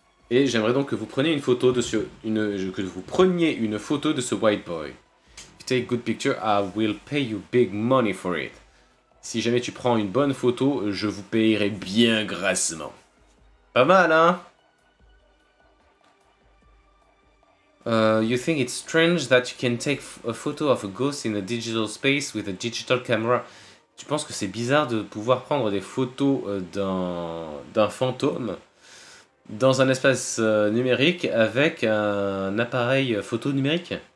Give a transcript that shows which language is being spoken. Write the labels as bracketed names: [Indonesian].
[French] Et j'aimerais donc que vous preniez une photo de ce. Que vous preniez une photo de ce White Boy. [English] Take good picture, I will pay you big money for it. [French] Si jamais tu prends une bonne photo, je vous paierai bien grassement. Pas mal, hein? [English] You think it's strange that you can take a photo of a ghost in a digital space with a digital camera? [French] Tu penses que c'est bizarre de pouvoir prendre des photos d'un fantôme dans un espace numérique avec un appareil photo numérique?